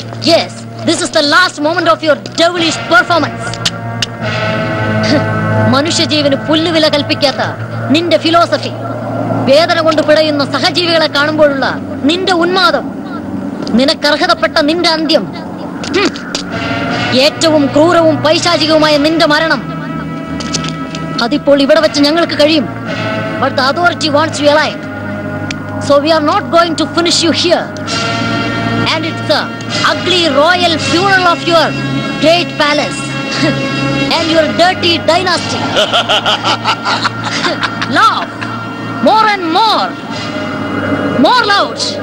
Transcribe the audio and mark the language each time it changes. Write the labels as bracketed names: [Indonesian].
[English] Yes, this is the last moment of your devilish performance. [Malayalam] മനുഷ്യജീവന് പുല്ലുവില കൽപ്പിക്കാത്ത നിന്റെ philosophy, വേദന കൊണ്ട് പിടയുന്ന സഹജീവികളെ കാണുമ്പോഴുള്ള നിന്റെ ഉന്മാദം, നിനക്കർഹതപ്പെട്ട നിന്റെ അന്ത്യം, ഏറ്റവും ക്രൂരവും പൈശാചികവുമായ നിന്റെ മരണം, അതിപ്പോൾ ഇവിടെ വെച്ച് ഞങ്ങൾക്ക് കഴിയും. [English] But the authority wants you alive. So we are not going to finish you here. And it's the ugly royal funeral of your great palace and your dirty dynasty. Laugh more and more, more loud.